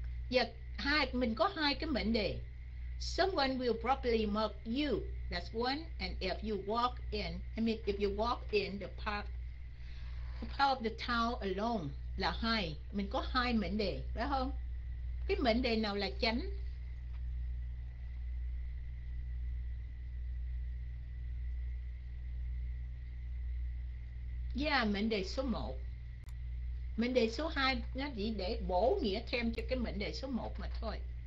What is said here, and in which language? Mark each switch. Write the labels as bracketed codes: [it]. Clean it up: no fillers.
[vi] Và hai, mình có hai cái mệnh đề. [en] Someone will probably mock you, that's one, and if you walk in, I mean if you walk in the park, part of the town alone, [vi] là hai. Mình có hai mệnh đề, phải không? Cái mệnh đề nào là chánh? Yeah, mệnh đề số 1. Mệnh đề số 2 nó chỉ để bổ nghĩa thêm cho cái mệnh đề số 1 mà thôi.